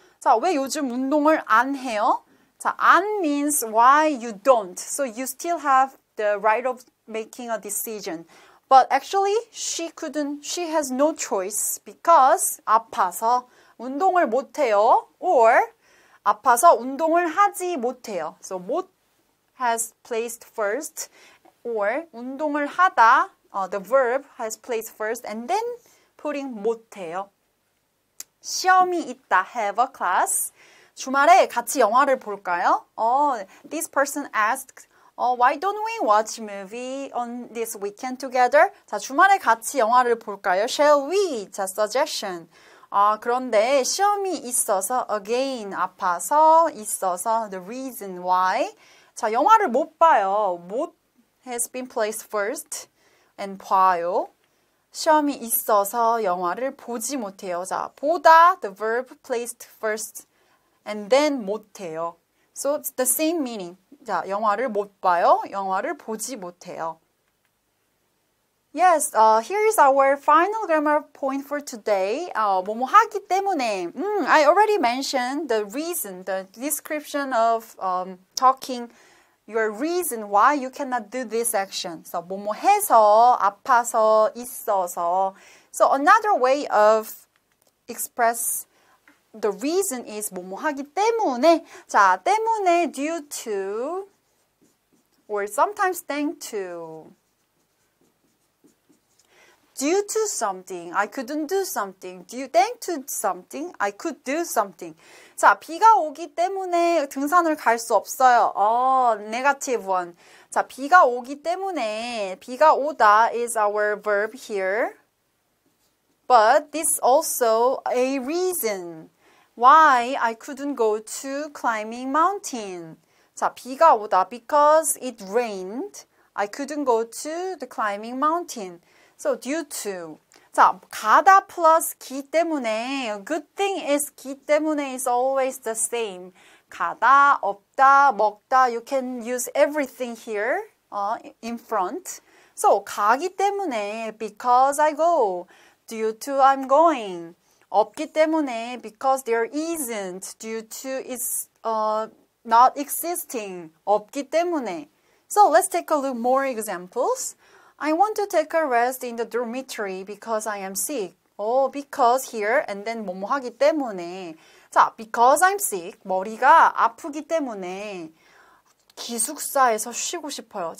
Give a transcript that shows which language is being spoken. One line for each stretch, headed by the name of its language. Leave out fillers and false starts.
Korean: 자, 왜 요즘 운동을 안 해요?
English: 자, 안 means why you don't. So you still have the right of making a decision. But actually, she has no choice because 아파서
Korean: 운동을 못해요. Or 아파서 운동을 하지 못해요.
English: So, 못 has placed first. Or
Korean: 운동을 하다.
English: The verb has placed first. And then putting 못해요.
Korean: 시험이 있다.
English: Have a class.
Korean: 주말에 같이 영화를 볼까요?
English: This person asked, why don't we watch movie on this weekend together?
Korean: 자, 주말에 같이 영화를 볼까요?
English: Shall we? 자, suggestion.
Korean: 그런데 시험이 있어서,
English: again, 아파서 있어서, the reason why.
Korean: 자, 영화를 못 봐요. 못
English: has been placed first and
Korean: 봐요. 시험이 있어서 영화를 보지 못해요.
English: 자, 보다, the verb placed first and then 못해요. So it's the same meaning.
Korean: 자, 영화를 못 봐요. 영화를 보지 못해요.
English: Yes, here is our final grammar point for today.
Korean: 뭐뭐 하기 때문에.
English: I already mentioned the reason, the description of talking your reason why you cannot do this action.
Korean: So 뭐뭐 해서, 아파서, 있어서.
English: So another way of express the reason is 뭐뭐 하기 때문에. 자, 때문에 due to or sometimes thanks to. Due to something, I couldn't do something. Due thanks to something, I could do something.
Korean: 자, 비가 오기 때문에 등산을 갈 수 없어요.
English: Negative one.
Korean: 자, 비가 오기 때문에, 비가 오다
English: is our verb here. But this also a reason why I couldn't go to climbing mountain. 자,
Korean: 비가 오다
English: because it rained, I couldn't go to the climbing mountain. So, due to. 자, 가다 plus 기 때문에. Good thing is 기 때문에 is always the same. 가다, 없다, 먹다. You can use everything here in front. So,
Korean: 가기 때문에
English: because I go. Due to I'm going.
Korean: 없기 때문에
English: because there isn't. Due to it's not existing.
Korean: 없기 때문에.
English: So, let's take a look more examples. I want to take a rest in the dormitory because I am sick. Oh, because here and then
Korean: 뭐뭐 하기 때문에.
English: 자, because I'm sick.
Korean: 머리가 아프기 때문에 기숙사에서 쉬고 싶어요.